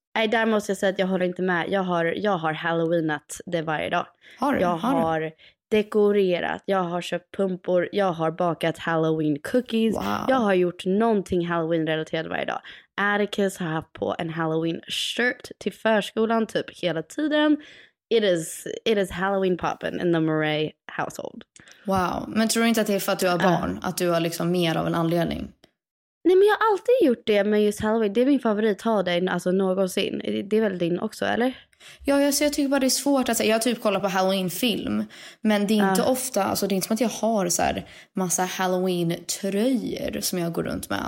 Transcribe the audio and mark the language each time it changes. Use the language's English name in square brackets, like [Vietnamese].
[Swedish] Nej, där måste jag säga att jag håller inte med. Jag har Halloweenat det varje dag. Har du? Jag har dekorerat, jag har köpt pumpor, jag har bakat Halloween cookies. Wow. Jag har gjort någonting Halloween-relaterat varje dag. Atticus har haft på en Halloween-shirt till förskolan typ hela tiden. [English] It is Halloween poppin' in the Murray household. [Swedish] Wow, men tror du inte att det är för att du har barn? Att du har liksom mer av en anledning? Nej, men jag har alltid gjort det med just Halloween. Det är min favorit, ha dig alltså någonsin. Det är väl din också, eller? Ja, alltså, jag tycker bara det är svårt att säga. Jag har typ kollat på Halloween-film. Men det är inte ofta, alltså det är inte som att jag har så här massa Halloween-tröjor som jag går runt med.